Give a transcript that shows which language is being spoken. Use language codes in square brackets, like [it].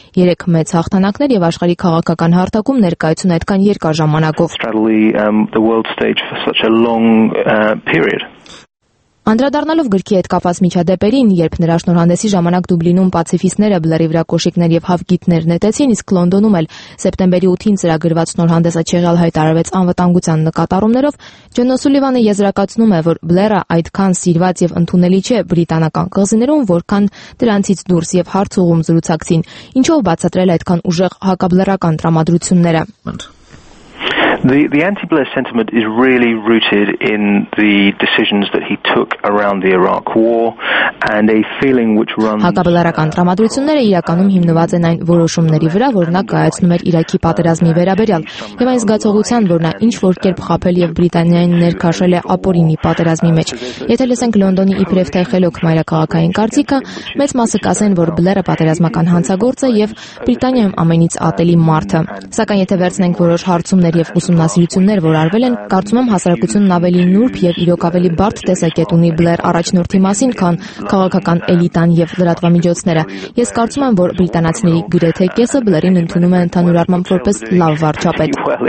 [hy] Երեք մեծ հաղթանակներ եւ աշխարհի քաղաքական հարթակում ներկայություն այդքան երկար ժամանակով։ Անդրադառնալով գրքի այդ կապած միջադեպերին, երբ նրա շնորհանդեսի ժամանակ Դուբլինում պացիֆիստները Բլերի վրա կոշիկներ եւ հավգիտներ նետեցին, իսկ Լոնդոնում էլ սեպտեմբերի 8-ին ծրագրված շնորհանդեսը չեղյալ հայտարարվեց անվտանգության նկատառումներով, Ջոն Սուլիվանը եզրակացնում է, որ Բլերը այդքան սիրված եւ ընդունելի չէ բրիտանական կղզիներում, որքան դրանցից դուրս եւ հարց ուղում զրուցակցին, ինչով բացատրել այդքան ուժեղ հակաբլերական տրամադրությունները։ [en] The anti-Blair sentiment is really rooted in the decisions that he took around the Iraq war and a feeling which runs [hy] Հակաբլերական տրամադրությունները իրականում հիմնված են այն որոշումների վրա, որ նա կայացնում էր Իրաքի պատերազմի վերաբերյալ, եւ այն զգացողության, որ նա ինչ-որ կերպ խաբել եւ Բրիտանիային ներքաշել է ապօրինի պատերազմի մեջ։ Եթե լսենք Լոնդոնի իբրև թեխելոք մայրաքաղաքային կարծիքը, մեծ մասը կասեն, որ Բլերը պատերազմական հանցագործ է եւ Բրիտանիայում ամենից ատելի մարդը։ Սակայն եթե վերցնենք որոշ հարցումներ եւ ուսումնասիրություններ, որ արվել են, կարծում եմ հասարակությունն ավելի նուրբ եւ իրոք ավելի բարդ տեսակետ ունի Բլեր առաջնորդի մասին, քան քաղաքական էլիտան եւ լրատվամիջոցները։ Ես կարծում եմ, որ բրիտանացիների գրեթե կեսը Բլերին ընդունում է ընդհանուր առմամբ որպես լավ վարչապետ։